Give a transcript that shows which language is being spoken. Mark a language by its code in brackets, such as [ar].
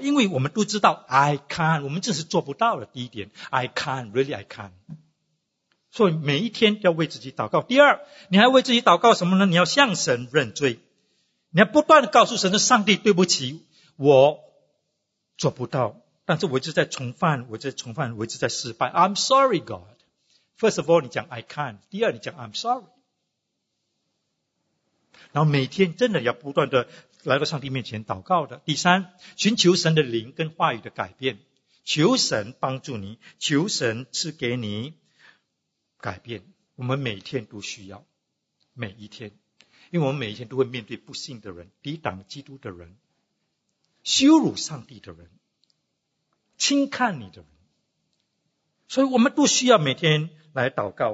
[zh] 因为我们都知道 [en] I can't， [zh] 我们这是做不到的。第一点 I can't， [en] really I can't。 [zh] 所以每一天要为自己祷告。第二，你还为自己祷告什么呢？你要向神认罪，你要不断地告诉神，上帝对不起，我做不到，但是我一直在重犯，我一直在重犯，我一直在失败。 [en] I'm sorry God。 First of all [zh] 你讲 [en] I can't， [zh] 第二你讲 [en] I'm sorry。 [zh] 然后每天真的要不断地来到上帝面前祷告的。第三，寻求神的灵跟话语的改变，求神帮助你，求神赐给你改变。我们每天都需要，每一天，因为我们每一天都会面对不信的人、抵挡基督的人、羞辱上帝的人、轻看你的人，所以我们都需要每天来祷告。